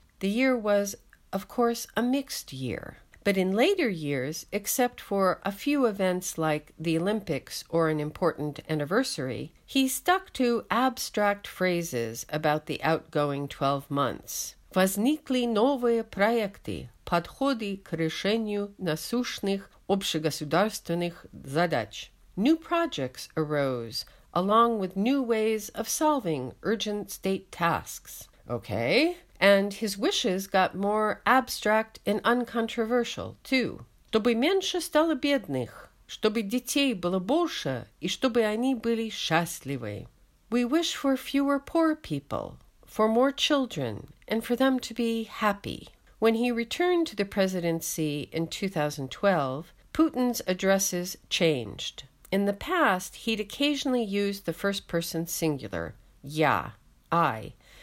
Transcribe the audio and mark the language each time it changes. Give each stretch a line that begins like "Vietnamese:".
English: The year was, of course, a mixed year. But in later years, except for a few events like the Olympics or an important anniversary, he stuck to abstract phrases about the outgoing 12 months.
Russian: возникли новые проекты подходы к решению насущных общегосударственных задач.
English: New projects arose along with new ways of solving urgent state tasks. Okay. And his wishes got more abstract and uncontroversial, too.
Russian: Чтобы меньше стало бедных, чтобы детей было больше, и чтобы они были счастливы.
English: We wish for fewer poor people, for more children, and for them to be happy. When he returned to the presidency in 2012, Putin's addresses changed. In the past, he'd occasionally used the first person singular, я, I.